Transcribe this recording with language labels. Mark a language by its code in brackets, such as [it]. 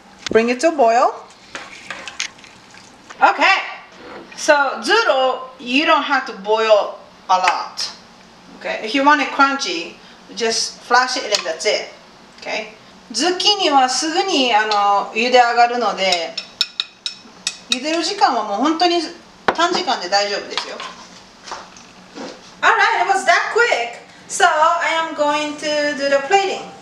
[en] Bring it to a boil. Okay. So zoodle, you don't have to boil a lot. Okay. If you want it crunchy, just flash it and that's it. Okay. [ja] Zucchini はすぐにあの茹で上がるので茹でる時間はもう本当に短時間で大丈夫ですよ。 [en] Alright, it was that quick. So I am going to do the plating.